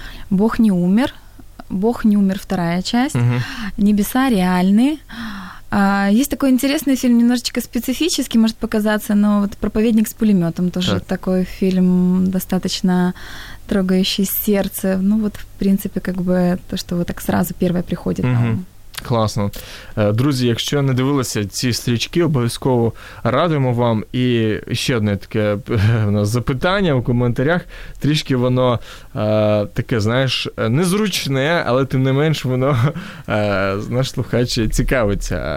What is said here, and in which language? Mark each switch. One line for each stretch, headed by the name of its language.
Russian: «Бог не умер», «Бог не умер» – вторая часть, mm-hmm. «Небеса реальны». Есть такой интересный фильм, немножечко специфический, может показаться, но вот «Проповедник с пулеметом» тоже так. Такой фильм, достаточно трогающий сердце. Ну вот, в принципе, как бы то, что вот так сразу первое приходит.
Ukrainian: Угу. Класно. Друзі, якщо не дивилися ці стрічки, обов'язково радуємо вам. І ще одне таке в нас запитання в коментарях. Трішки воно таке, знаєш, незручне, але тим не менш воно, знаєш, слухачі, цікавиться.